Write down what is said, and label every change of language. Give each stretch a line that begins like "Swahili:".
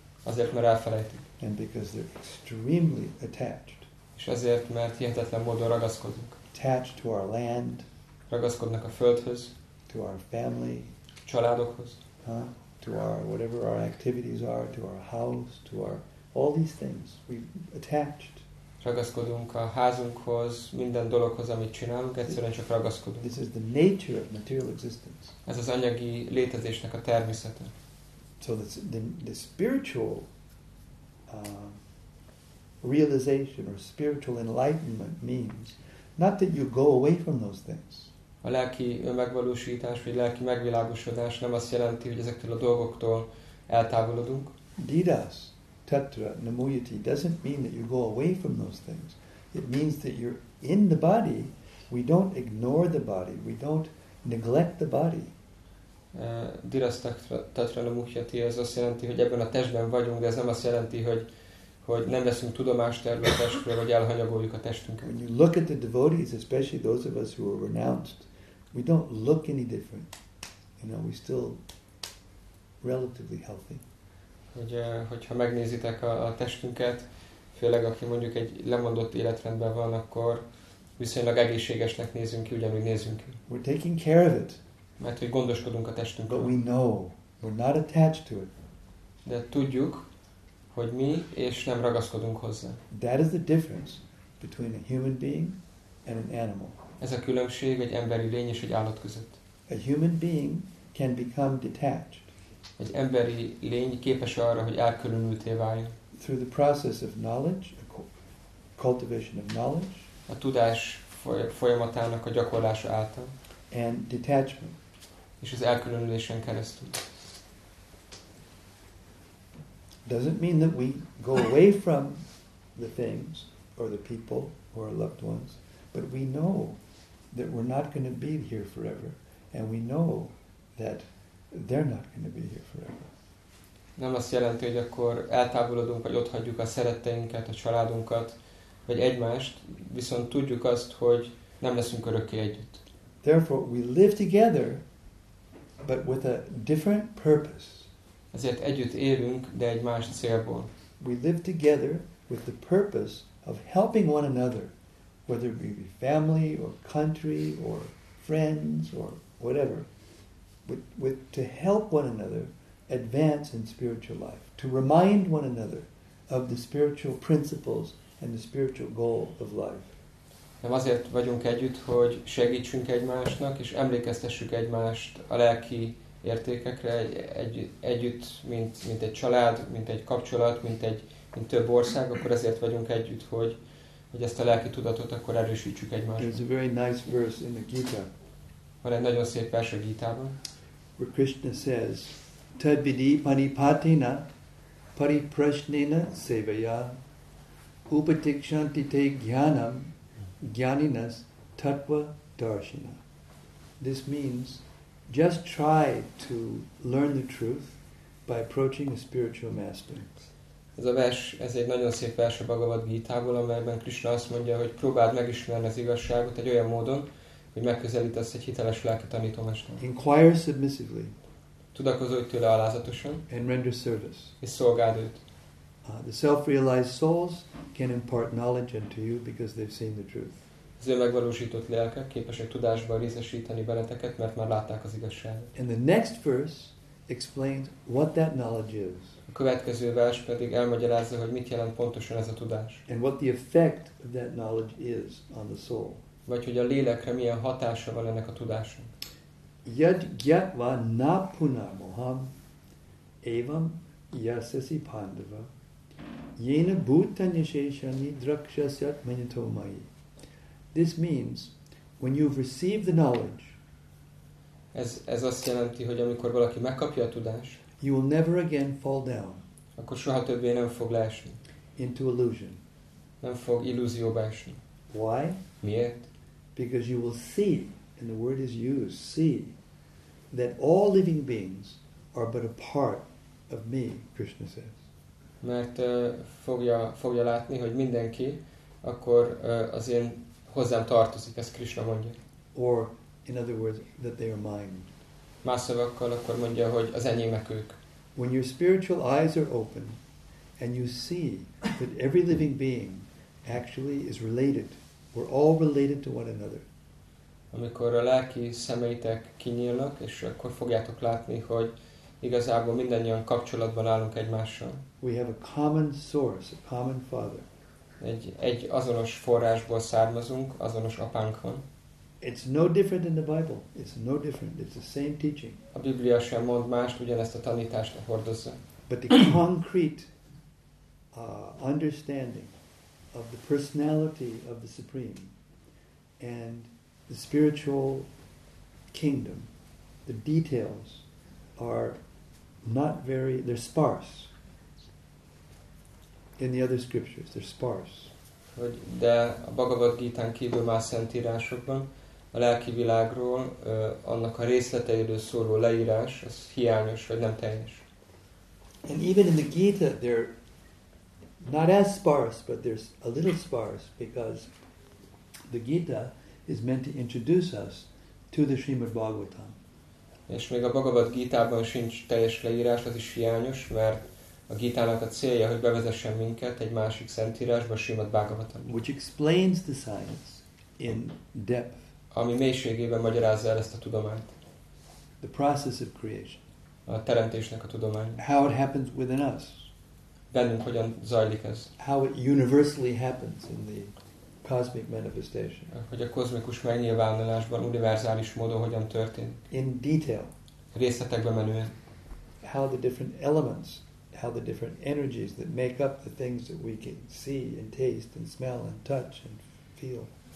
Hungarian: Azért, mert elfelejtik.
English: And because they're extremely attached.
Hungarian: És azért, mert hihetetlen módon ragaszkodnak.
English: Attached to our land.
Hungarian: Ragaszkodnak a földhöz.
English: To our family.
Hungarian: Családokhoz. Huh?
English: To our whatever our activities are, to our house, to our all these things, we've attached.
Hungarian: Ragaszkodunk a házunkhoz, minden dologhoz, amit csinálunk, egyszerűen csak ragaszkodunk.
English: This is the nature of material existence.
Hungarian: Ez az anyagi létezésnek a természete.
English: So the spiritual realization or spiritual enlightenment means not that you go away from those things.
Hungarian: A lelki önmegvalósítás vagy lelki megvilágosodás nem azt jelenti, hogy ezektől a dolgoktól eltávolodunk.
Sanskrit: Didas, tetra, namuyati
English: doesn't mean that you go away from those things. It means that you're in the body. We don't ignore the body. We don't neglect the body.
Sanskrit: Didas, tetra, namuyati
Hungarian: az azt jelenti, hogy ebben a testben vagyunk, de ez nem azt jelenti, hogy nem veszünk tudomást erről a testről, vagy elhanyagoljuk a testünket.
English: When you look at the devotees, especially those of us who are renounced, we don't look any different. You know, we're still relatively healthy.
Hungarian: Hogyha megnézitek a testünket, főleg aki mondjuk egy lemondott életrendben van, akkor viszonylag egészségesnek nézünk ki, ugyanúgy nézünk ki.
English: We're taking care of it.
Hungarian: Mert hogy gondoskodunk a testünkről.
English: But we know, we're not attached to it.
Hungarian: De tudjuk, hogy mi, és nem ragaszkodunk hozzá.
English: That is the difference between a human being and an animal.
Hungarian: Ez a különbség egy emberi lény és egy állat között.
English: A human being can become detached.
Hungarian: Egy emberi lény képes arra, hogy elkülönülté váljon.
English: Through the process of knowledge, a cultivation of knowledge.
Hungarian: A tudás folyamatának a gyakorlása által.
English: And detachment.
Hungarian: És az elkülönülésen keresztül.
English: Doesn't mean that we go away from the things or the people or our loved ones, but we know that we're not going to be here forever, and we know that they're not going to be here forever.
Hungarian: Nem azt jelenti, hogy akkor eltávolodunk, vagy otthagyjuk a szeretteinket, a családunkat, vagy egymást, viszont tudjuk azt, hogy nem leszünk örökké együtt.
English: Therefore, we live together, but with a different purpose.
Hungarian: Ezért együtt élünk, de egy más célból.
English: We live together with the purpose of helping one another, whether it be family or country or friends or whatever, with to help one another advance in spiritual life, to remind one another of the spiritual principles and the spiritual goal of life.
Hungarian: Nem azért vagyunk együtt, hogy segítsünk egymásnak és emlékeztessük egymást a lelki értékekre együtt, mint egy család, mint egy kapcsolat, mint több ország, akkor ezért vagyunk együtt, hogy ezt a lelki tudatot akkor erősítsük egymást.
English: There's a very nice verse in the Gita.
Hungarian: Van egy nagyon szép vers a Gitában.
English: Where Krishna says,
Sanskrit: Tadvidi panipatina pariprasnena sevaya upatikshantite gyanam gyaninas tatva darshina.
English: This means, just try to learn the truth by approaching a spiritual master.
Hungarian: Ez a vers, ez egy nagyon szép vers a Bhagavad Gita-ból, amelyben Krishna azt mondja, hogy próbáld megismerni az igazságot egy olyan módon, hogy megközelítesz egy hiteles lelki tanítomestert.
English: Inquire submissively.
Hungarian: Tudakozódj tőle alázatosan.
English: And render service.
Hungarian: És szolgáld őt.
English: The self-realized souls can impart knowledge unto you because they've seen the truth.
Hungarian: Az önmegvalósított lelkek képesek tudásba részesíteni benneteket, mert már látták az igazságot.
English: And the next verse explains what that knowledge is.
Hungarian: A következő vers pedig elmagyarázza, hogy mit jelent pontosan ez a tudás.
English: And what the effect of that knowledge is on the soul.
Hungarian: Vagy hogy a lélekre milyen hatása van ennek a tudásnak.
Sanskrit: Yad gyatva na puna moham evam yasasi pandava yena bhutanyasheshani drakshasyat manyatomai.
English: This means when you've received the knowledge.
Hungarian: Ez azt jelenti, hogy amikor valaki megkapja a tudást,
English: you will never again fall down.
Hungarian: Akkor soha többé nem fog leesni.
English: Into illusion.
Hungarian: Nem fog illúzióba esni.
English: Why?
Hungarian: Miért?
English: Because you will see, and the word is used, see, that all living beings are but a part of me, Krishna says.
Hungarian: Mert fogja látni, hogy mindenki akkor az én hozzám tartozik, ezt Krishna mondja.
English: Or, in other words, that they are mine.
Hungarian: Más szavakkal akkor mondja, hogy az enyémek ők.
English: When your spiritual eyes are open, and you see that every living being actually is related, we're all related to one another.
Hungarian: Amikor a lelki szemeitek kinyílnak, és akkor fogjátok látni, hogy igazából mindannyian kapcsolatban állunk egymással.
English: We have a common source, a common father.
Hungarian: Egy azonos forrásból származunk, azonos apánk van.
English: It's no different than the Bible. It's no different. It's the same teaching.
Hungarian: A Biblia sem mond mást, ugyanezt a tanítást hordozza.
English: But the concrete understanding of the personality of the Supreme and the spiritual kingdom, the details are not very, they're sparse. In the other scriptures, they're sparse.
Hungarian: Hogy de a Bhagavad Gita-n kívül más szentírásokban a lelki világról annak a részleteiről szóló leírás az hiányos vagy nem teljes.
English: And even in the Gita they're not as sparse, but they're a little sparse because the Gita is meant to introduce us to the Srimad Bhagavatam.
Hungarian: És még a Bhagavad Gita-ban sincs teljes leírás, az is hiányos, mert a Gitának a célja, hogy bevezessen minket egy másik szentírásba, Srimad Bhagavatam.
English: Which explains the science in depth.
Hungarian: Ami mélységében magyarázza el ezt a tudományt.
English: The process of creation.
Hungarian: A teremtésnek a tudománya.
English: How it happens within us.
Hungarian: Bennünk hogyan zajlik ez.
English: How it universally happens in the cosmic manifestation.
Hungarian: Hogy a kozmikus megnyilvánulásban univerzális módon hogyan történik.
English: In detail.
Hungarian: Részletekbe menően.
English: How the different elements, how the different energies that make up the things that we can see and taste and smell and touch and feel.